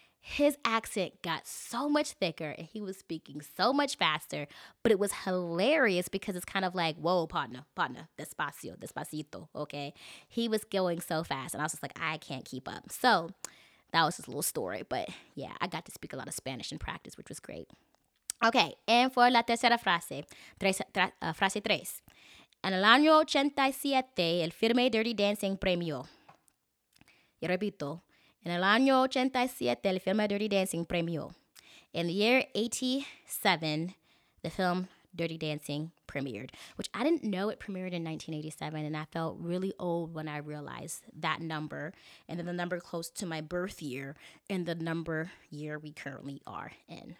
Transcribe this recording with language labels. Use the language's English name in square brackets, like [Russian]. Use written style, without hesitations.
[English] His accent got so much thicker and he was speaking so much faster, but it was hilarious because it's kind of like, whoa, partner, despacio, despacito, okay? He was going so fast and I was just like, I can't keep up. So that was his little story, but yeah, I got to speak a lot of Spanish in practice, which was great. Okay, and for [Spanish] la tercera frase, frase tres. En el año 87, el firme Dirty Dancing premio. Y repito. En el año 87, el filme Dirty Dancing premió. [English] In the year 87, the film Dirty Dancing premiered, which I didn't know it premiered in 1987, and I felt really old when I realized that number, and then the number close to my birth year, and the number year we currently are in.